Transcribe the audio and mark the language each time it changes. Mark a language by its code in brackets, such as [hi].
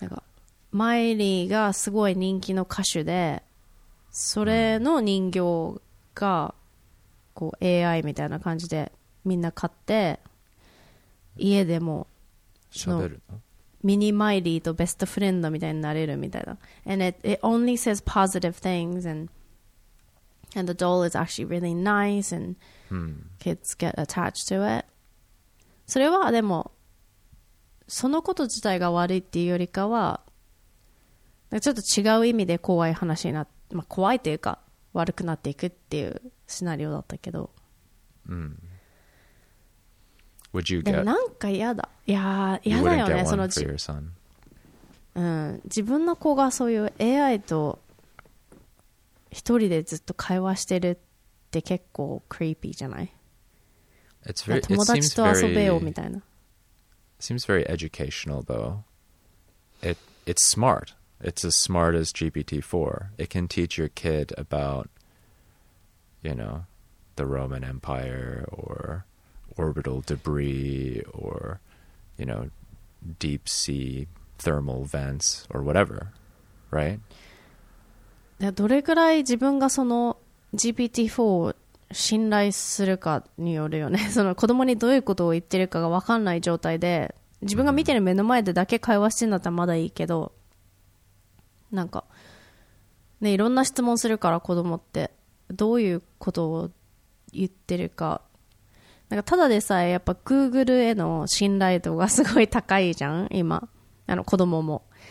[ja] なんかマイリーがすごい人気の歌手で、それの人形がこう AI みたいな感じでみんな買って、家でも喋るの？ミニマイリーとベストフレンドみたいになれるみたいな。 [en] And it only says positive things and the doll is actually really nice and kids get attached to it. [ja] それはでもそのこと自体が悪いっていうよりかはちょっと違う意味で怖い話になって、まあ、怖いというか悪くなっていくっていうシナリオだったけど、 [en] うん、Would you get [ja] なんか嫌だ、いや嫌だよね、その自分、うん、自分の子がそういう AI と一人でずっと会話してるって結構クリーピーじゃない？ [en] It's very, [ja] 友達と遊べようみたいな。 [en] Seems very educational though. It's smart. It's as smart as GPT-4. It can teach your kid about, you know, the Roman Empire or orbital debris or, you know, deep sea thermal vents or whatever, right? [ja] どれくらい自分がその GPT-4 を信頼するかによるよね。その子供にどういうことを言ってるかが分かんない状態で、自分が見てる目の前でだけ会話してんだったらまだいいけど、なんかね、いろんな質問するから子供ってどういうことを言ってるか、なんかただでさえやっぱ Google への信頼度がすごい高いじゃん今、あの子供も。